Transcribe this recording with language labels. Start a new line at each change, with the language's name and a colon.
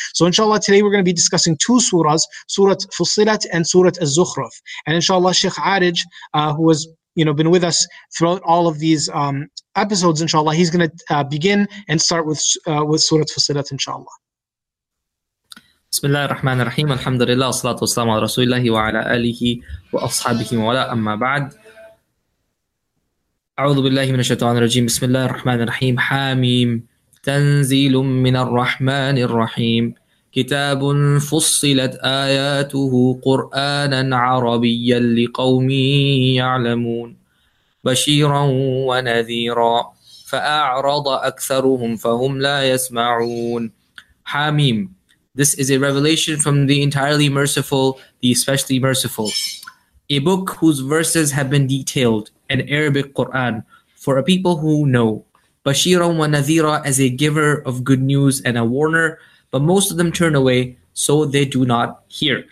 English: So inshallah, today we're going to be discussing two surahs, Surah Fussilat and Surah Az-Zukhruf. And inshallah, Sheikh Arij, who has been with us throughout all of these episodes, inshallah, he's going to begin and start with Surah Fussilat, inshallah.
Arabic: بسم الله الرحمن الرحيم الحمد لله والصلاة والسلام على رسول الله وعلى آله وأصحابه ولا أما بعد أعوذ بالله من الشيطان الرجيم بسم الله الرحمن الرحيم حاميم تنزيل من الرحمن الرحيم كتاب فصلت آياته قرآنا عربيا لقوم يعلمون بشيرا ونذيرا فأعرض أكثرهم فهم لا يسمعون حاميم.
English: This is a revelation from the entirely merciful, the especially merciful. A book whose verses have been detailed, an Arabic Quran, for a people who know. Bashiran wa nadhira, as a giver of good news and a warner, but most of them turn away, so they do not hear.